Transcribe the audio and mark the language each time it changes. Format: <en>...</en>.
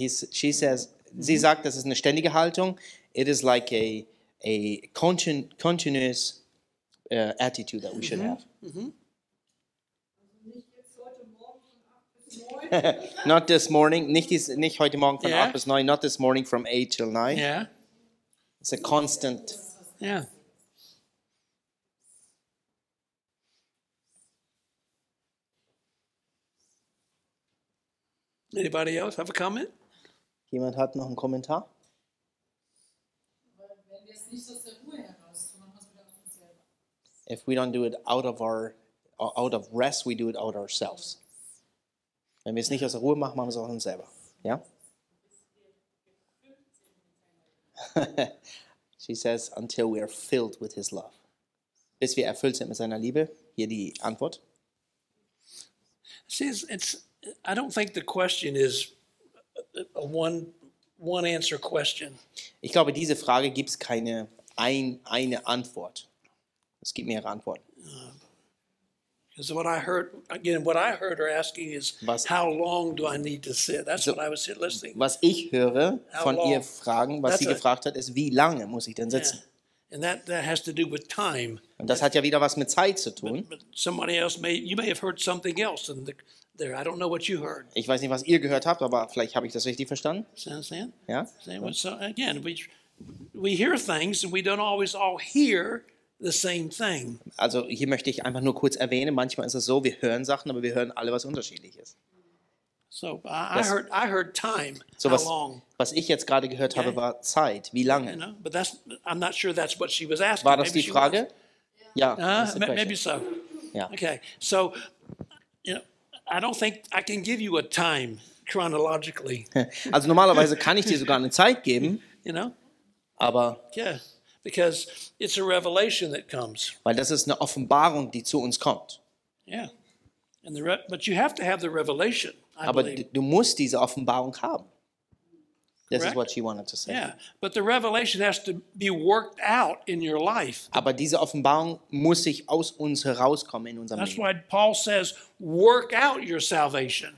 <en>she says,</en> <de>sie sagt, das ist eine ständige Haltung.</de> <en>It is like a continuous attitude that we should have. Mm-hmm. Not this morning.</en> <de>Nicht heute Morgen von 8 bis 9.</de> <en>Not this morning from 8 till 9. Yeah. It's a constant. Yeah. Anybody else have a comment?</en> <de>Jemand hat noch einen Kommentar?</de> <en>If we don't do it out of rest, we do it out ourselves.</en> <de>Wenn wir es nicht aus der Ruhe machen, machen wir es auch uns selber. Ja?</de> <en>She says, until we are filled with his love.</en> <de>Bis wir erfüllt sind mit seiner Liebe. Hier die Antwort.</de> <en>See, it's, I don't think the question is a one answer question.</en> <de>Ich glaube, diese Frage gibt es keine eine Antwort. Es gibt mehrere Antworten.</de> <en>Because what I heard, again, what I heard her asking is, was, how long do I need to sit? That's so, what I was listening.</en> <de>Was ich höre von ihr fragen, was sie gefragt hat, ist, wie lange muss ich denn sitzen?</de> <en>Yeah. And that has to do with time.</en> <de>Und das hat ja wieder was mit Zeit zu tun.</de> <en>But somebody else you may have heard something else, and there, I don't know what you heard.</en> <de>Ich weiß nicht, was ihr gehört habt, aber vielleicht habe ich das richtig verstanden. Ja.</de> <en>So again, we hear things, and we don't always all hear. The same thing.</en> <de>Also hier möchte ich einfach nur kurz erwähnen, manchmal ist es so, wir hören Sachen, aber wir hören alle was Unterschiedliches.</de> <en>So, I heard time. So was, how long?</en> <de>Was ich jetzt gerade gehört habe, war Zeit, wie lange?</de> <en>You know, but that's, I'm not sure that's what she was asking.</en> <de>War das die Frage? Ja.</de> <en>Maybe so. Yeah. Okay, so, you know, I don't think I can give you a time chronologically.</en> <de>Also normalerweise kann ich dir sogar eine Zeit geben,</de> <en>you know?</en> <de>Aber...</de> <en>Yeah. Because it's a revelation that comes.</en> <de>Weil das ist eine Offenbarung, die zu uns kommt.</de> <en>Yeah, and but you have to have the revelation.</en> <de>Du musst diese Offenbarung haben.</de> <en>This Correct? Is what she wanted to say. Yeah, but the revelation has to be worked out in your life.</en> <de>Aber diese Offenbarung muss sich aus uns herauskommen in unserem</de> <en>That's</en> <de>Leben.</de> <en>That's why Paul says, "Work out your salvation."</en>